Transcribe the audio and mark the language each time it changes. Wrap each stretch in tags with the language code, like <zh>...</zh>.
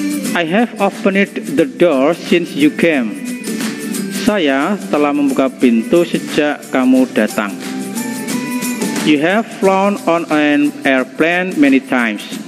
<en>I have opened the door since you came.</en> <id>Saya telah membuka pintu sejak kamu datang.</id> <en>You have flown on an airplane many times.</en>